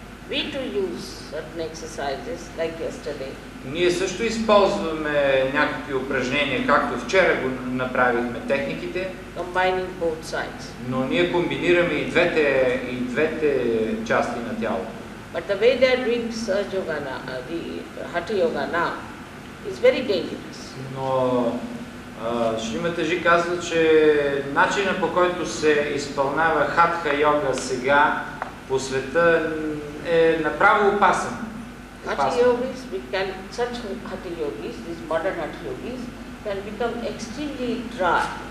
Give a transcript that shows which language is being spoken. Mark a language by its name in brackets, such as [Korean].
[English] We too use certain exercises, like yesterday. [Bulgarian] Ние също използваме някакви упражнения, както вчера го направихме техниките. [English] Combining both sides. [Bulgarian] Но ние комбинираме и двете части на тялото. [English] But the way they are doing the Hatha Yoga now is very dangerous. [Bulgarian] Но Шрима Таджи казва, че начина по който се изпълнява Хатха йога сега по света е направо опасен. [English] Hatha yogis, such Hatha yogis, these modern Hatha yogis, can become extremely dry.